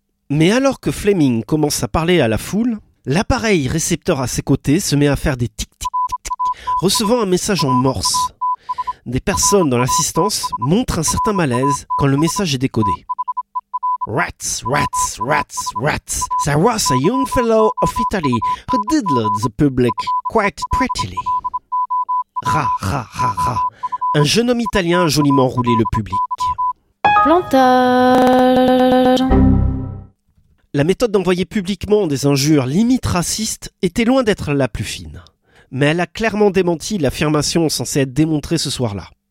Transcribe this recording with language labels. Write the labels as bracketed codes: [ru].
[fr] Mais alors que Fleming commence à parler à la foule, l'appareil récepteur à ses côtés se met à faire des tic-tic-tic-tic, recevant un message en morse. Des personnes dans l'assistance montrent un certain malaise quand le message est décodé. [en] Rats, rats, rats, rats. There was a young fellow of Italy who diddled the public quite prettily. Ra, ra, ra, ra. [fr] Un jeune homme italien a joliment roulé le public. Plantage. La méthode d'envoyer publiquement des injures limite racistes était loin d'être la plus fine. Mais elle a clairement démenti l'affirmation censée être démontrée ce soir-là.